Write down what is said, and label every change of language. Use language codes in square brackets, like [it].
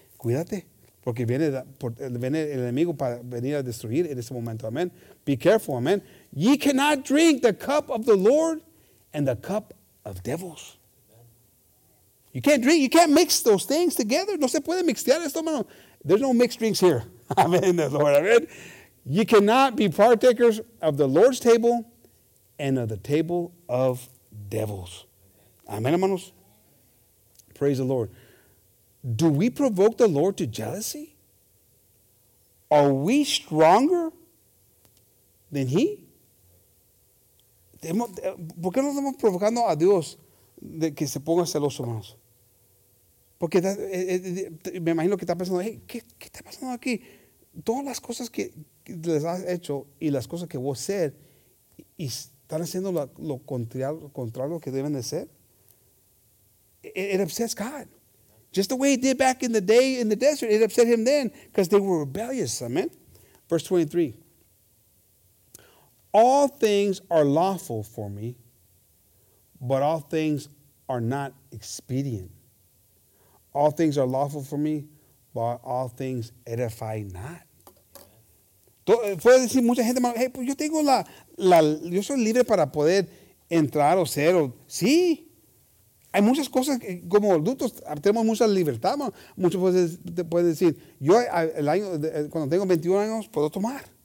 [es] Cuídate, porque viene, viene el enemigo para venir a destruir en ese momento. [en] Amen. Be careful. Amen. Ye cannot drink the cup of the Lord and the cup of devils. You can't drink. You can't mix those things together. [es] No se puede mixtear esto, mano. [en] There's no mixed drinks here. Amen. The Lord. Amen. You cannot be partakers of the Lord's table and of the table of devils. Amen, hermanos. Praise the Lord. Do we provoke the Lord to jealousy? Are we stronger than he? [es] ¿Por qué no estamos provocando a Dios de que se ponga celoso, hermanos? Porque me imagino que está pensando, hey, ¿qué está pasando aquí? Todas las cosas que les has hecho y las cosas que voy a hacer y están haciendo lo contrario que deben de ser. [en] It upsets God. Just the way he did back in the day in the desert, it upset him then because they were rebellious. Amen. Verse 23. All things are lawful for me, but all things are not expedient. All things are lawful for me, but all things edify not. [es] Puede decir mucha gente, hey, pues yo tengo yo soy libre para poder entrar o ser, sí. Hay muchas cosas, como adultos, tenemos mucha libertad, man. Muchos pueden decir, yo cuando tengo 21 años, puedo tomar.